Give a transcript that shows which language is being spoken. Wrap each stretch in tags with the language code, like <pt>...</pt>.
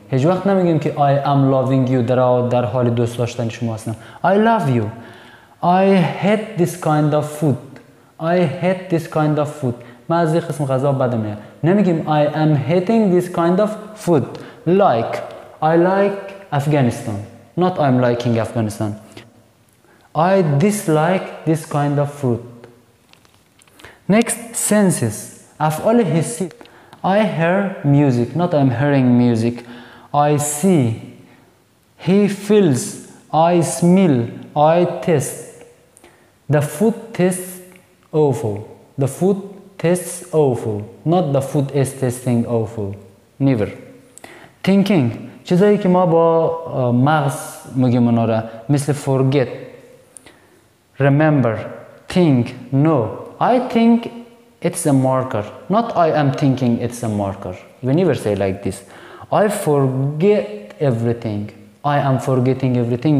<fa>هیچ وقت نمیگیم که</fa> <en>I am loving you</en> <fa>در حال دوست داشتن شما هستم.</fa> <en>I love you. I hate this kind of food. I hate this kind of food.</en> <fa>من از این قسم غذا بدم میاد. نمیگیم</fa> <en>I am hating this kind of food. Like I like Afghanistan. Not I am liking Afghanistan. I dislike this kind of food. Next, senses.</en> <fa>افعال حسی.</fa> <en>I hear music. Not I am hearing music. I see. He feels. I smell. I taste. The food tastes awful. The food tastes awful. Not the food is tasting awful. Never. Thinking.</en> <fa>چیزایی که ما با مغز میگیم اونا را، مثل</fa> <en>forget, remember, think. No. I think It's a marker. Not I am thinking it's a marker. You never say like this. I forget everything. I am forgetting everything.</en>